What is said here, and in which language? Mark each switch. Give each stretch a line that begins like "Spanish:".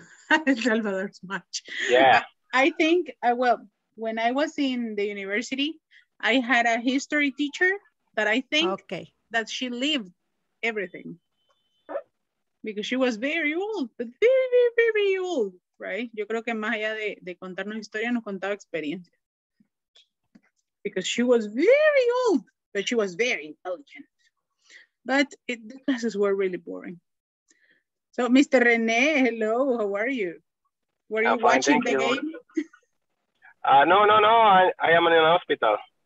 English: El Salvador's match. Yeah. I think, well, when I was in the university, I had a history teacher that I think that she lived everything. Because she was very old, but very, very, very old, right?
Spanish: Yo creo que más allá de contarnos historia, nos contaba experiencia.
English: Because she was very old, but she was very intelligent. But the classes were really boring. So, Mr. René, hello, how are you? Were you watching the game? No, I am in an hospital.